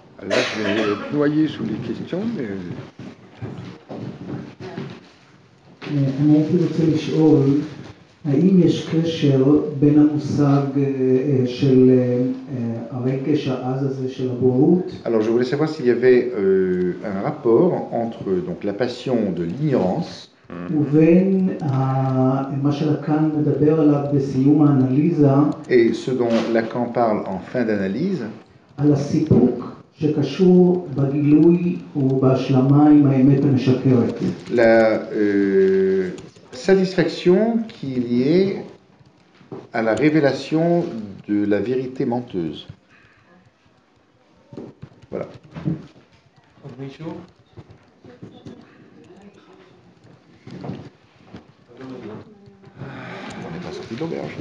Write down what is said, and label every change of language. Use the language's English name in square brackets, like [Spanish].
[French] Là, je vais noyer sous les questions. [Hebrew] אני הייתי רוצה לשאול, האם יש קשר בין המושג של הרגש העז הזה של הבורות? [French] Alors, je voulais savoir s'il y avait un rapport entre donc, la passion de l'ignorance [Hebrew] ובין מה שלקן מדבר עליו בסיום האנליזה [French] et ce dont Lacan parle en fin d'analyse [Hebrew] על הסיפוק שקשור בגילוי ובהשלמה עם האמת המשקרת. [French] La, satisfaction qui est liée à la révélation de la vérité menteuse. Voilà. On n'est pas sorti de l'auberge.